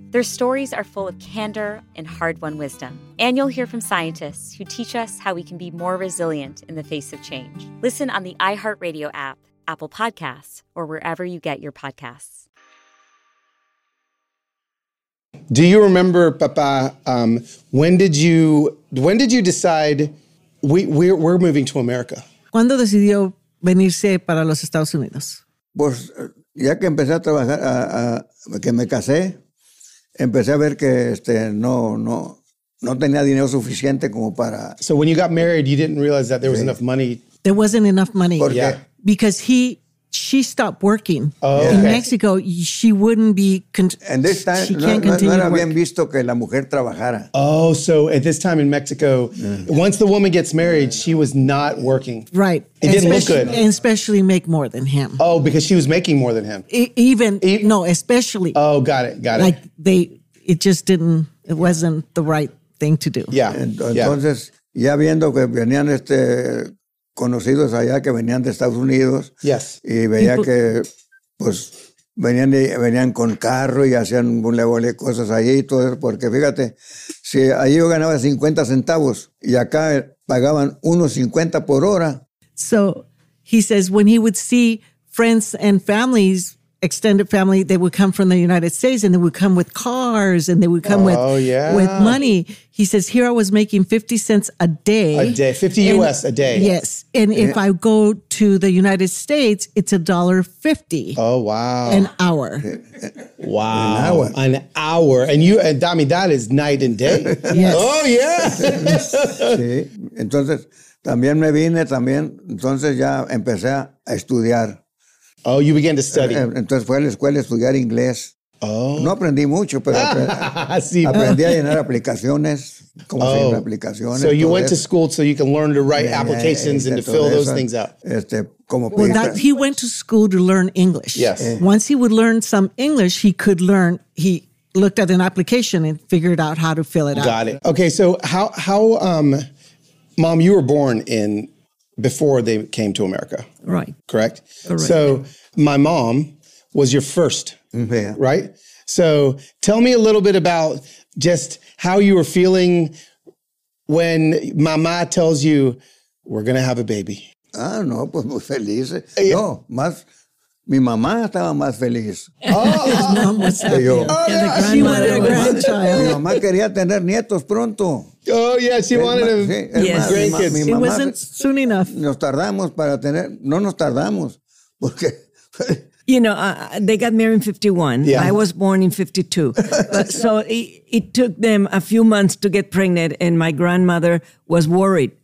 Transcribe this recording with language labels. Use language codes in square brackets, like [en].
[en] Their stories are full of candor and hard-won wisdom. And you'll hear from scientists who teach us how we can be more resilient in the face of change. Listen on the iHeartRadio app, Apple Podcasts, or wherever you get your podcasts. Do you remember, Papa, when did you decide we're moving to America? [es] ¿Cuándo decidió venirse para los Estados Unidos? Pues ya que empecé a trabajar, que me casé, empecé a ver que no tenía dinero suficiente como para... [en] So when you got married, you didn't realize that there was enough money? There wasn't enough money. [es] ¿Por qué? [en] Because she stopped working. Oh, in okay. Mexico, she wouldn't be... And this time, she can't continue [es] no era bien visto que la mujer trabajara. [en] Oh, so at this time in Mexico, once the woman gets married, she was not working. Right. It didn't look good. And especially make more than him. Oh, because she was making more than him. Especially. Oh, got it. Like, it wasn't the right thing to do. Yeah. [es] Entonces, ya viendo que venían conocidos allá que venían de Estados Unidos. Yes. Y veía que, pues, venían con carro y hacían bulevole cosas allí y todo eso. Porque fíjate, si allí yo ganaba 50 centavos y acá pagaban 1.50 por hora. [en] So, he says, when he would see friends and families, extended family, they would come from the United States and they would come with cars and they would come with money. He says, here I was making 50 cents a day. A day, 50 US a day. Yes. And if I go to the United States, it's $1.50. Oh, wow. An hour. Wow. An hour. And you, and Dami, that is night and day. Yes. Oh, yeah. [es] Sí. Entonces, también me vine también. Entonces ya empecé a estudiar. [en] Oh, you began to study. [es] Entonces fue a la escuela a estudiar inglés. [en] Oh. [es] No aprendí mucho, pero aprendí a llenar aplicaciones. [en] So you went to school so you can learn to write applications and to fill those things out. He went to school to learn English. Yes. Once he would learn some English, he looked at an application and figured out how to fill it out. Got it. Okay, so how, Mom, you were born in... before they came to America. Right. Correct? Right. So my mom was your first, right? So tell me a little bit about just how you were feeling when mama tells you, we're going to have a baby. [es] Ah, no, pues muy feliz. No, más, mi mamá estaba más feliz. [en] His mom was happy. [es] Yo. [en] And the grandmother, [es] mi mamá, [en] grandchild. [es] Mi mamá quería tener nietos pronto. [en] Oh, yeah, she wanted grandkids. She wasn't soon enough. [es] Nos tardamos para tener... No nos tardamos, porque... [en] You know, they got married in 51. Yeah. I was born in 52. So it took them a few months to get pregnant, and my grandmother was worried.